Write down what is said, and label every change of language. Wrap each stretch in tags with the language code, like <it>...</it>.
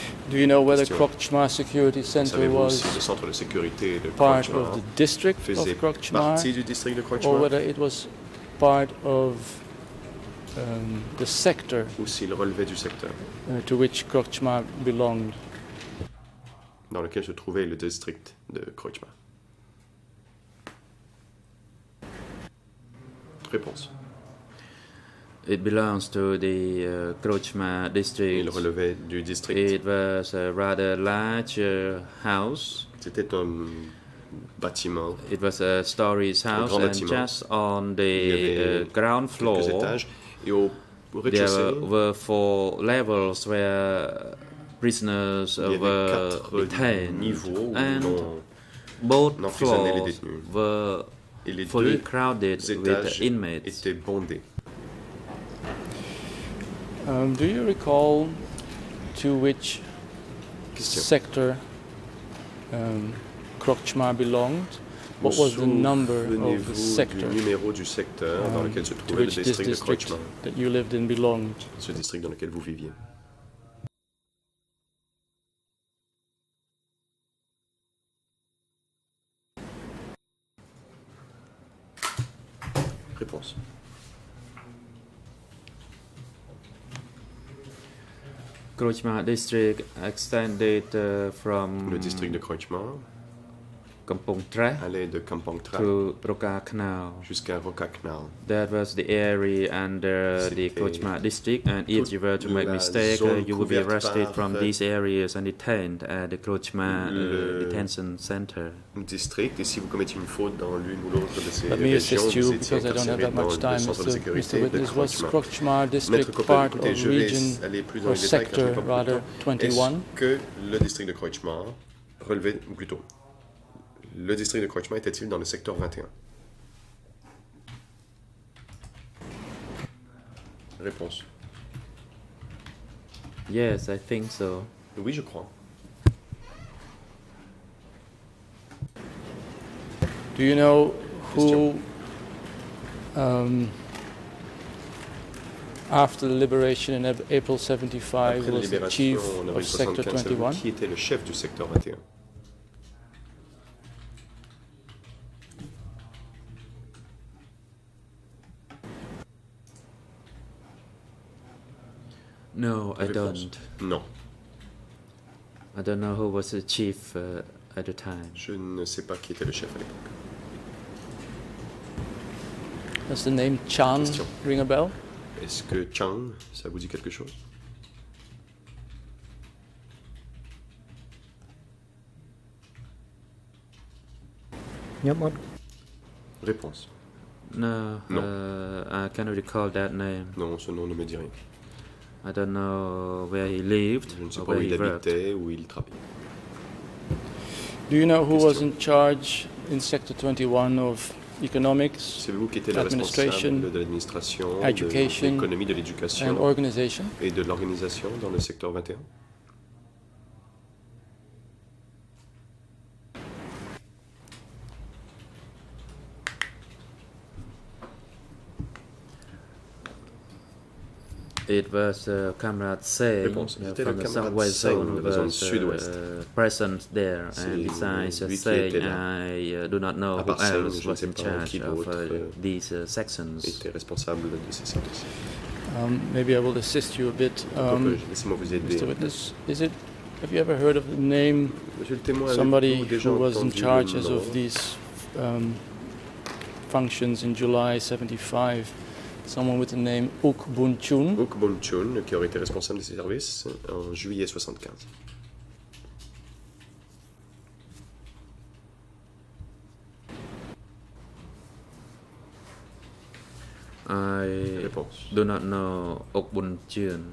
<en>Do you know whether Krochmar Security Center was part of the district of Krochmar, or whether it was part of the sector</en> <fr>ou s'il relevait du secteur</fr> <en>to which Krochmar belonged?</en> <fr>Dans lequel se trouvait le district de Krochmar. Réponse.</fr> <en>It belongs to the Krochmar district.</en> <fr>Il relevait du district.</fr> <en>It was a rather large house.</en> <fr>C'était un bâtiment.</fr> <en>It was a stories house, and just on the ground floor, there were four levels where prisoners were detained, and both floors were fully crowded with inmates. Do you recall to which sector Krochmar belonged? What was the number of the sector</en> <fr>du numéro du secteur dans lequel se trouvait le district de Krochmar</fr> <en>that you lived in belonged?</en> <fr>Ce district dans lequel vous viviez. Réponse.</fr> <en>Krochmar district extended from</en> <fr>le district de Krochmar</fr> <en>Kampong Tre</en> <fr>allait de Kampong Tre</fr> <en>to Roka Canal</en> <fr>jusqu'à Roka Canal.</fr> <en>That was the area under the Krochmar district, and if you were to make mistake, you would be arrested from these areas and detained at the Krochmar detention center.</en> <fr>District, et si vous commettez une faute dans l'une ou l'autre de ces régions, vous étiez incarcéré dans le centre de sécurité de Krochmar. Maître</fr> <en>Copen, was Krochmar district part of region or sector rather 21?</en> <fr>Est-ce que le district de Krochmar relevait plutôt Le district de Kretschmar était-il dans le secteur 21? Réponse.</fr> <en>Yes, I think so.</en> <fr>Oui, je crois.</fr> <en>Do you know who, after the liberation in April 75, was the chief of Sector 21?</en> <fr>Qui était le chef du secteur 21?</fr> <en>No, I don't.</en> <fr>Non.</fr> <en>I don't know who was the chief at the time.</en> <fr>Je ne sais pas qui était le chef à l'époque.</fr> <en>Does the name Chang ring a bell?</en> <fr>Est-ce que Chang, ça vous dit quelque chose?</fr> <en>Yep.</en> <fr>Réponse.</fr> <en>No.</en> <fr>Non.</fr> <en>I cannot recall that name.</en> <fr>Non, ce nom ne me dit rien.</fr> <en>I don't know where he lived.</en> <fr>Je ne sais pas où il habitait, où il travaillait.</fr> <en>Do you know who was in charge in Sector 21 of economics,</en> <fr>savez-vous qui était le responsable de l'administration, de l'économie, de l'éducation</fr> <en>and organization?</en> <fr>Et de l'organisation dans le secteur 21?</fr> <en>It was Comrade Say from the southwest zone, present there, and besides Say, I do not know who else was in charge of these sections.</en> <fr>Était responsable de ces sections.</fr> <en>Maybe I will assist you a bit, Mr. Witness. Is it? Have you ever heard of the name somebody who was in charge of these functions in July 75? Someone with the name Uk Bun Chun.</en> <fr>Uk Bun Chun, qui aurait été responsable de ces services en juillet 75.</fr> <en>Réponse. Do not know Uk Bun Chun.</en>